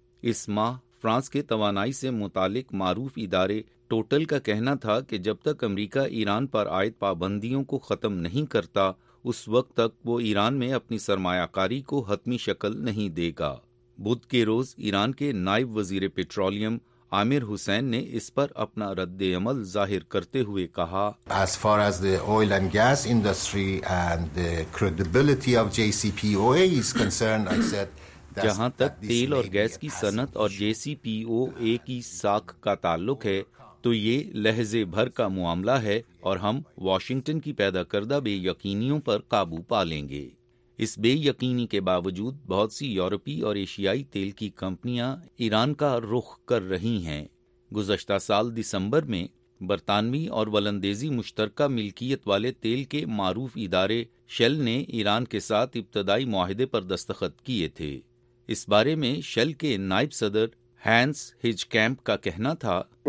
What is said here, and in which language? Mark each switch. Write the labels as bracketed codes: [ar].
[ur] اس ماہ فرانس کے توانائی سے متعلق معروف ادارے ٹوٹل کا کہنا تھا کہ جب تک امریکہ ایران پر عائد پابندیوں کو ختم نہیں کرتا، اس وقت تک وہ ایران میں اپنی سرمایہ کاری کو حتمی شکل نہیں دے گا۔ بدھ کے روز ایران کے نائب وزیر پیٹرولیم عامر حسین نے اس پر اپنا رد عمل ظاہر کرتے ہوئے کہا [en] As far as the oil and gas industry and the credibility of JCPOA is concerned, I said [ur] جہاں تک تیل اور گیس کی صنعت اور جے سی پی او اے کی ساکھ کا تعلق ہے تو یہ لہجے بھر کا معاملہ ہے اور ہم واشنگٹن کی پیدا کردہ بے یقینیوں پر قابو پا لیں گے۔ اس بے یقینی کے باوجود بہت سی یورپی اور ایشیائی تیل کی کمپنیاں ایران کا رخ کر رہی ہیں۔ گزشتہ سال دسمبر میں برطانوی اور ولندیزی مشترکہ ملکیت والے تیل کے معروف ادارے شیل نے ایران کے ساتھ ابتدائی معاہدے پر دستخط کیے تھے۔ اس بارے میں شیل کے نائب صدر ہینس ہج کیمپ کا کہنا تھا